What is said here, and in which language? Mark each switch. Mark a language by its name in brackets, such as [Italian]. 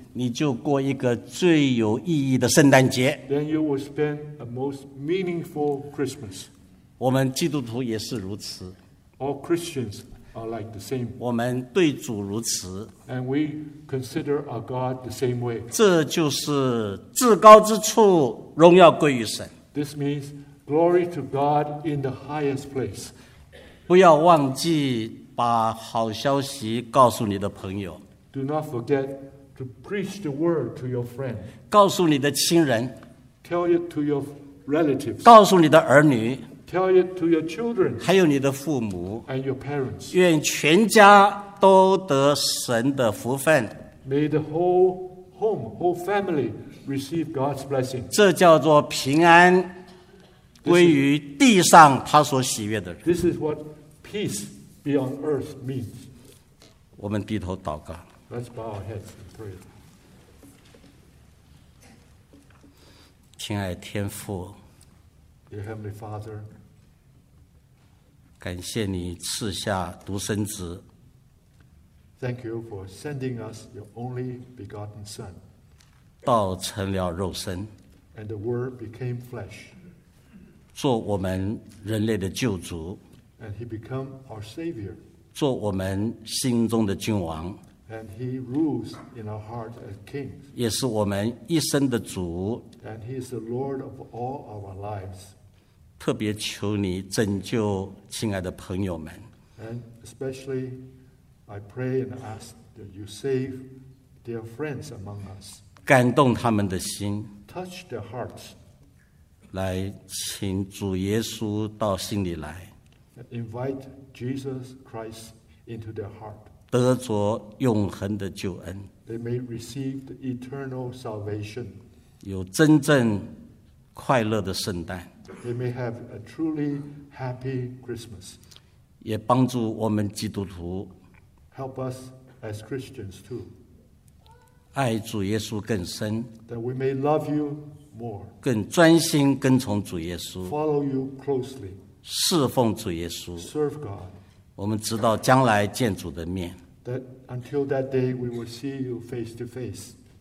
[Chinese] 你就过一个最有意义的圣诞节 [English] then you will spend a most meaningful Christmas. [Chinese] 我们基督徒也是如此 [English] all Christians. Are like、the same. [Chinese] 我们对主如此 [English] And we consider our God the same way. [Chinese] 这就是至高之处荣耀归于神 [English] This means glory to God in the highest place. [Chinese] 不要忘记把好消息告诉你的朋友 [English] Do not forget to to preach the word to your friend. [Chinese] 告诉你的亲人。 [English] Tell it to your relatives. [Chinese] 告诉你的儿女。 [English] Tell it to your children. [Chinese] 还有你的父母。 [English] And your parents. [Chinese] 愿全家都得神的福分。 [English] May the whole home, whole family receive God's blessing. [Chinese] 这叫做平安归于地上他所喜悦的人。 [English] This is what peace be on earth means. [Chinese] 我们低头祷告。 [English] Let's bow our heads and pray. [Chinese] 亲爱天父。 [English] Dear Heavenly Father. [Chinese] 感谢你赐下独生子。 [English] Thank you for sending us your only begotten Son. [Chinese] 道成了肉身。 [English] And the Word became flesh. [Chinese] 做我们人类的救主。 [English] And he became our Savior. [Chinese] 做我们心中的君王。 [English] And he rules in our heart as king. [Chinese] 也是我们一生的主。 [English] And he is the Lord of all our lives. [Chinese] 特别求你拯救亲爱的朋友们。 [English] And especially, I pray and ask that you save dear friends among us. [Chinese] 感动他们的心。 [English] Touch their hearts. [Chinese] 来，请主耶稣到心里来。 [English] Invite Jesus Christ into their heart. [Chinese] 得着永恒的救恩。 [English] They may receive the eternal salvation. [Chinese] 有真正快乐的圣诞。 [English] They may have a truly happy Christmas. [Chinese] 也帮助我们基督徒。 [English] Help us as Christians too. [Chinese] 爱主耶稣更深。 [English] That we may love you more. [Chinese] 更专心跟从主耶稣。 [English] Follow you closely. [Chinese] 侍奉主耶稣。 [English] Serve God. [Chinese] 我们直到将来见主的面。 [English] That until that day we will see you face to face.